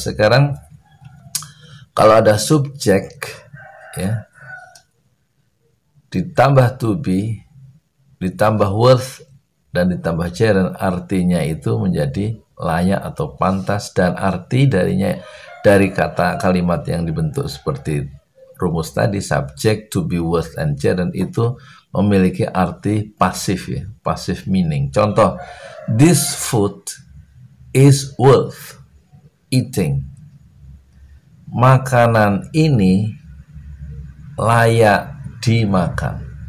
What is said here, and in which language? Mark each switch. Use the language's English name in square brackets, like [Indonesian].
[Indonesian] Sekarang kalau ada subjek, ya, ditambah to be, ditambah worth dan ditambah gerund, artinya itu menjadi layak atau pantas, dan arti darinya dari kata kalimat yang dibentuk seperti rumus tadi, [English] subject, to be, worth, and gerund, [Indonesian] itu memiliki arti pasif, ya, pasif meaning. [English] Contoh, this food is worth eating. [Indonesian] Makanan ini layak dimakan.